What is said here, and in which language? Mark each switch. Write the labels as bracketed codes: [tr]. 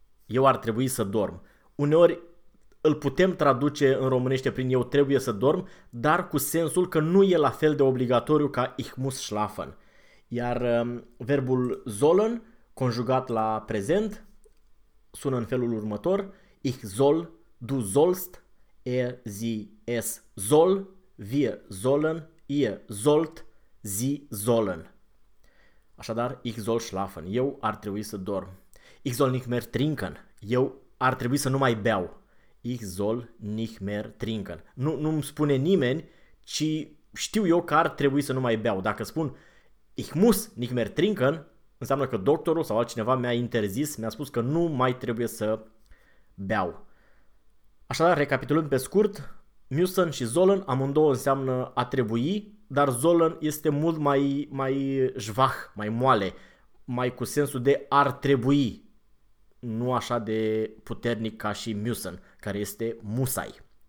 [ro] Eu ar trebui să dorm. Uneori îl putem traduce în românește prin eu trebuie să dorm, dar cu sensul că nu e la fel de obligatoriu ca [de] ich muss schlafen. [ro] Iar verbul sollen, conjugat la prezent, sună în felul următor. [de] Ich soll, du sollst, er, sie, es soll, wir sollen, ihr sollt, sie sollen. Așadar, ich soll schlafen. [ro] Eu ar trebui să dorm. [de] Ich soll nicht mehr trinken. [ro] Eu ar trebui să nu mai beau. [de] Ich soll nicht mehr trinken. [ro] Nu îmi spune nimeni, ci știu eu că ar trebui să nu mai beau. Dacă spun [de] ich muss nicht mehr trinken, [ro] înseamnă că doctorul sau altcineva mi-a interzis, mi-a spus că nu mai trebuie să beau. Așadar, recapitulând pe scurt, müssen și sollen amândouă înseamnă a trebui, dar sollen este mult mai schwach, mai moale, mai cu sensul de ar trebui, nu așa de puternic ca și müssen, care este musai.